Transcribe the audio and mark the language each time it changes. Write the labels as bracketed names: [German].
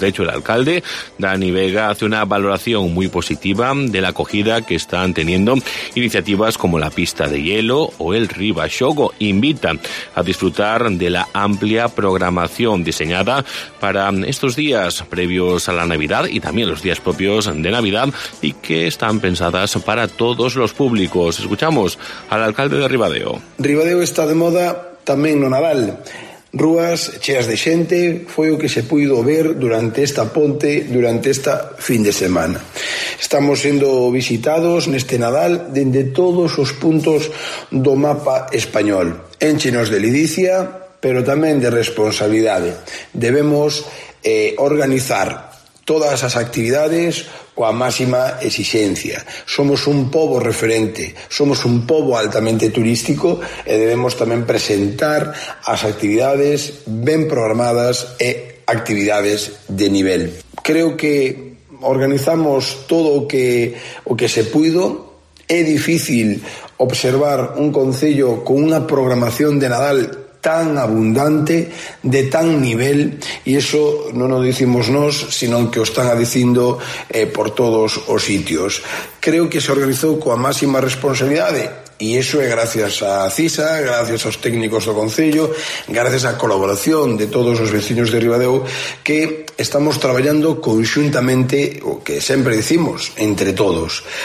[Spanish] De hecho, el alcalde, Dani Vega, hace una valoración muy positiva de la acogida que están teniendo iniciativas como la pista de hielo o el Riva Shogo. Invita a disfrutar de la amplia programación diseñada para estos días previos a la Navidad y también los días propios de Navidad y que están pensadas para todos los públicos. Escuchamos al alcalde de Ribadeo. [Galician] Ribadeo está de moda tamén no Naval. Rúas cheas de xente foi o que se puido ver durante esta ponte, durante esta fin de semana. Estamos sendo visitados neste Nadal dende todos os puntos do mapa español. Énchenos de lidicia, pero tamén de responsabilidade. Debemos organizar todas as actividades coa máxima exixencia. Somos un pobo referente, somos un pobo altamente turístico e debemos tamén presentar as actividades ben programadas e actividades de nivel. Creo que organizamos todo o que se puido. É difícil observar un concello con unha programación de Nadal tan abundante, de tan nivel, e iso non o dicimos nós, sino que o están a dicindo por todos os sitios. Creo que se organizou coa máxima responsabilidade, e iso é gracias a CISA, gracias aos técnicos do Concello, gracias á colaboración de todos os veciños de Ribadeo, que estamos traballando conxuntamente, o que sempre dicimos, entre todos.